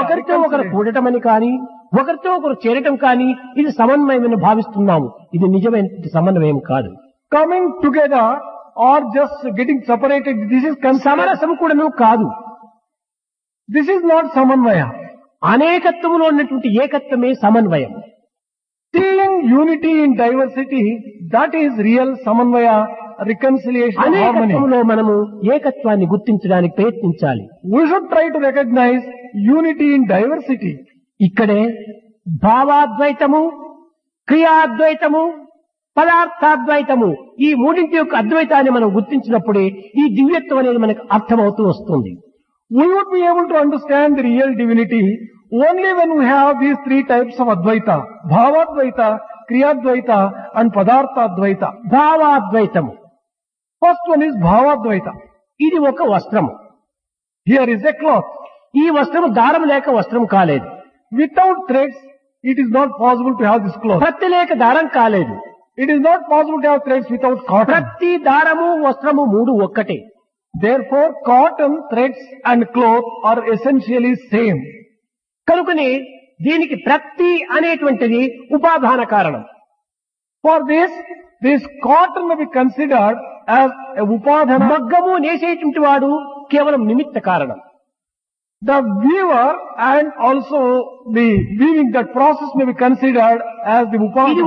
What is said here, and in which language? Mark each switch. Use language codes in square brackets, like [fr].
[te] ఒకరితో ఒకరు కూడటం అని కానీ ఒకరితో ఒకరు చేరటం కానీ ఇది సమన్వయమని భావిస్తున్నాము. ఇది నిజమైన సమన్వయం కాదు. [en] coming together or just getting separated this is [te] సమరసం కూడా కాదు. [en] This is not సమన్వయ. [te] అనేకత్వంలో ఉన్నటువంటి ఏకత్వమే సమన్వయం. [en] Seeing unity in diversity, that is real samanvaya, reconciliation, harmony. [te] అనేకత్వంలో మనము ఏకత్వాన్ని గుర్తించడానికి ప్రయత్నించాలి. [en] We should try to recognize unity in diversity. [te] ఇక్కడే భావాద్వైతము, క్రియాద్వైతము, పదార్థాద్వైతము ఈ మూడింటి యొక్క అద్వైతాన్ని మనం గుర్తించినప్పుడే ఈ దివ్యత్వం అనేది మనకు అర్థమవుతూ వస్తుంది. [en] We would be able to understand the real divinity only when we have these three types of advaita: bhavadvaita, kriyadvaita and padarthadvaita. [te] Bhavadvaitam, [en] first one is bhavadvaita. [te] Idi oka vastram. [en] Here is a cloth. [te] Ee vastram daram leka vastram kaledu. [en] Without threads it is not possible to have this cloth. [te] Patti leka daram kaledu. [en] It is not possible to have threads without cotton. [te] Patti daramu vastramu moodu okkate. [en] Therefore cotton, threads and cloth are essentially same. [te] కనుకనే దీనికి ప్రతి అనేటువంటిది ఉపాధాన కారణం. [en] For this this cotton be considered as ఉపాధాన. [te] మగ్గము నేసేటువంటి వాడు కేవలం నిమిత్త కారణం. [en] The weaver and also the weaving that process be considered as the ఉపాధాన.